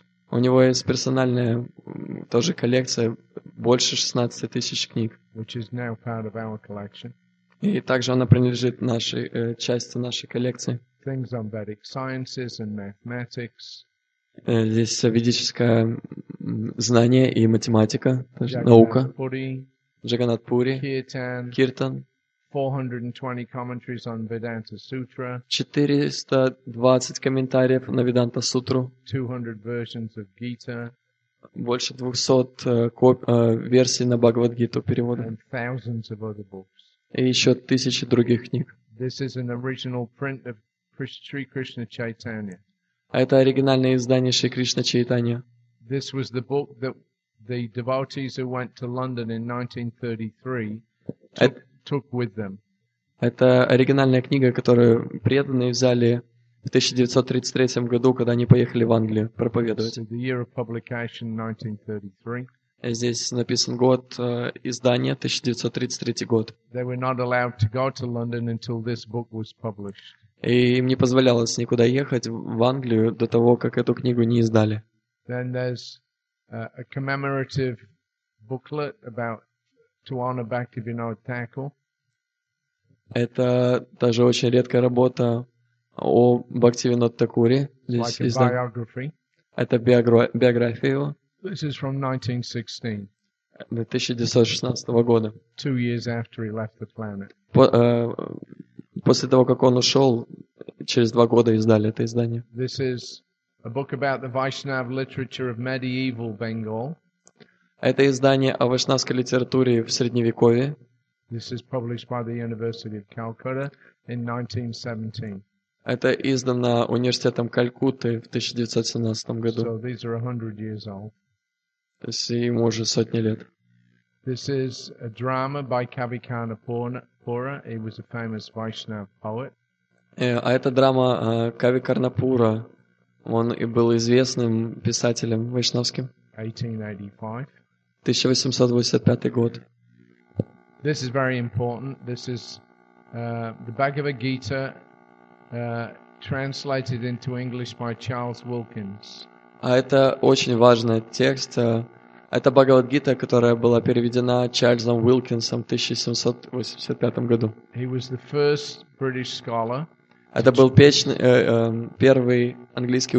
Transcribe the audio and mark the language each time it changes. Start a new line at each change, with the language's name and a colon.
Russian: У него есть персональная тоже коллекция больше 16 тысяч книг.
English: Which is now part of our collection.
Russian: И также она принадлежит нашей части нашей коллекции.
English: Things on Vedic sciences and mathematics.
Russian: Здесь ведическое знание и математика, наука. Джаганат Пури, Киртан, 420
English: commentaries on Vedanta Sutra,
Russian: 420 комментариев на Веданта Сутру,
English: 200 versions of Gita,
Russian: больше 200 версий на Бхагавад-гиту перевода,
English: and thousands of other books.
Russian: И еще тысячи других книг.
English: This is an original print of Sri Krishna Chaitanya.
Russian: Это оригинальное издание Шри Кришна Чайтанья.
English: This was the book that the devotees who went to London in 1933 took with them.
Russian: Это оригинальная книга, которую преданные взяли в 1933 году, когда они поехали в Англию проповедовать.
English: The year of publication 1933.
Russian: Здесь написан год издания 1933 год.
English: They were not allowed to go to London until this book was published.
Russian: И им не позволялось никуда ехать в Англию до того, как эту книгу не издали.
English: Then there's a commemorative booklet about to honor Bhaktivinoda Thakur.
Russian: Это даже очень редкая работа о Бхактивиноде Такуре. Здесь
English: like a biography.
Russian: Это биография его.
English: This is from 1916.
Russian: 1916 года.
English: 2 years after he left the planet.
Russian: После того, как он ушел, через 2 года издали это издание.
English: This is a book about the Vaishnav literature of medieval Bengal.
Russian: Это издание о вайшнавской литературе в средневековье.
English: This is published by the University of Calcutta in 1917.
Russian: Это издано университетом Калькутты в 1917 году.
English: So these are 100 years old.
Russian: То есть ему уже сотни лет.
English: This is a drama by Kavikarna Pura. He was a famous Vaishnav poet.
Russian: А это драма Кавикарна Пура. Он и был известным писателем вайшнавским. 1885 год.
English: This is very important. This is the Bhagavad Gita translated into English by Charles Wilkins.
Russian: А это очень важный текст. Это Бхагавад Гита, которая была переведена Чарльзом Уилкинсом в 1785 году.
English: He was the first British scholar.
Russian: Это был первый английский